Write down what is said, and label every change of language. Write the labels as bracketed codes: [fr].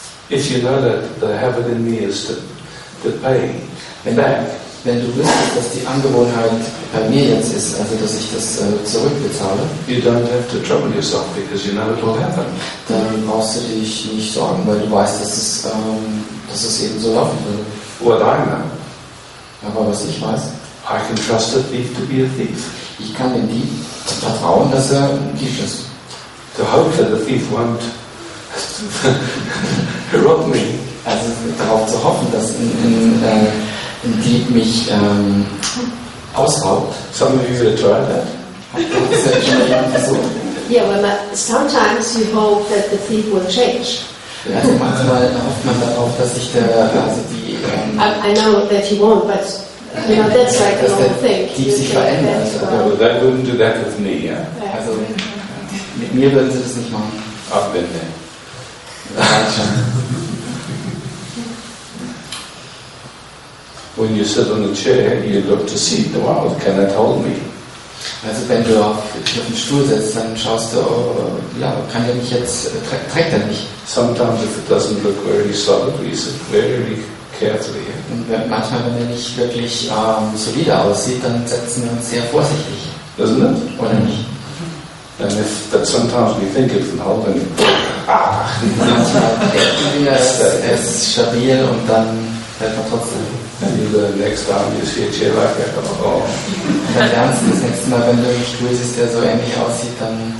[en] If you know that the habit in me is to pay back, [de] wenn du wüsstest, dass die Angewohnheit bei mir jetzt ist, also dass ich das zurückbezahle, [en] you don't have to trouble yourself because you know it will happen. [de] Dann brauchst du dich nicht sorgen, weil du weißt, dass es eben so laufen wird. [en] What I know. [de] Aber was ich weiß. [en] I can trust a thief to be a thief. [de] Ich kann dem Dieb vertrauen, dass er ein Dieb ist. [en] To hope that the thief won't rob me. [de] Also darauf zu hoffen, dass ein Dieb mich ausraubt. [en] Some of you will try that. Yeah, sometimes you hope that the thief will change. [de] Also manchmal hofft man darauf, dass sich der [en] I know that he won't, but. You know, that's like the whole thing. [de] Die sich verändert. [en] Well, they wouldn't do that with me, yeah? [de] Also, mit mir würden sie das nicht machen. [en] I've been there. When you sit on the chair, you look to see, wow, can it hold me? [de] Also, wenn du auf den Stuhl sitzt, dann schaust du, kann der mich jetzt, trägt er mich? [en] Sometimes if it doesn't look very solid, we sit very carefully. [de] Und manchmal, wenn er nicht wirklich solide aussieht, dann setzen wir uns sehr vorsichtig. [en] Isn't it? [de] Oder nicht? [en] And if, but sometimes we think it's an holding. [de] Ach, manchmal denken wir, es ist stabil und dann fällt man trotzdem. [en] And the next time you see a chair like that, [de] dann lernst du das nächste Mal, wenn du einen Stuhl siehst, der so ähnlich aussieht, dann.